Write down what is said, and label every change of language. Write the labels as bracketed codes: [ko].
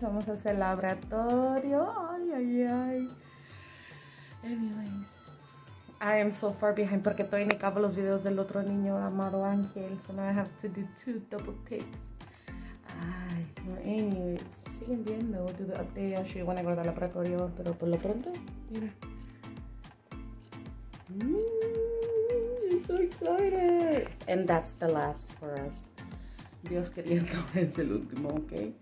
[es] Vamos a hacer el laboratorio. Ay, ay, ay. [en] Anyways, I am so far behind [es] porque todavía me acabo los videos del otro niño, amado Ángel. [en] So now I have to do 2 double takes. Ay, no, anyways, [es] siguen viendo. [en] We'll do the update. Actually, I want to go to the laboratorio, [es] pero por lo pronto, mira. [en] I'm so excited. And that's the last for us. [es] Dios queriendo, es el último, ¿ok?